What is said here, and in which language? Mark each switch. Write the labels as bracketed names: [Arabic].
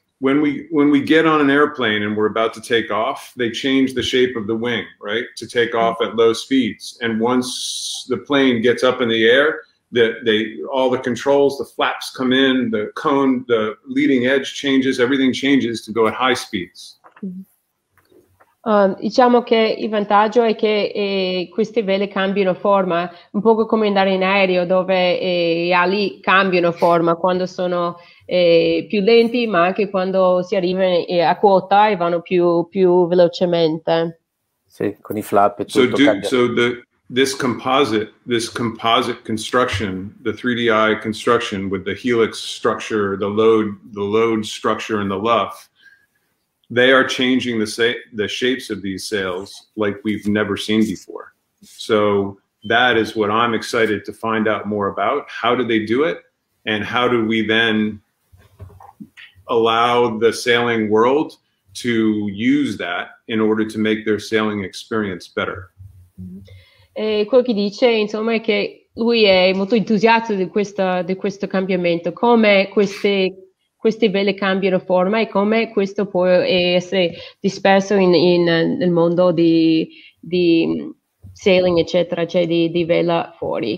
[English] When we get on an airplane and we're about to take off, they change the shape of the wing, right, to take off at low speeds. And once the plane gets up in the air, all the controls, the flaps come in, the cone, the leading edge changes, everything changes to go at high speeds. Mm-hmm. [Italian] Diciamo che il vantaggio è che queste vele cambiano forma, un po' come andare in aereo dove gli ali cambiano forma quando sono più lenti, ma anche quando si arriva a quota e vanno più velocemente. Sì, con i flap e tutto cambia. [English] So this composite construction, the 3DI construction with the helix structure, the load structure and the luff, they are changing the shapes of these sails like we've never seen before. So that is what I'm excited to find out more about. How do they do it? And how do we then allow the sailing world to use that in order to make their sailing experience better? [Italian] Quello che dice, insomma, è che lui è molto entusiasta di questo cambiamento, come queste vele cambiano forma e come questo può essere disperso nel mondo di sailing, eccetera, cioè di vela fuori.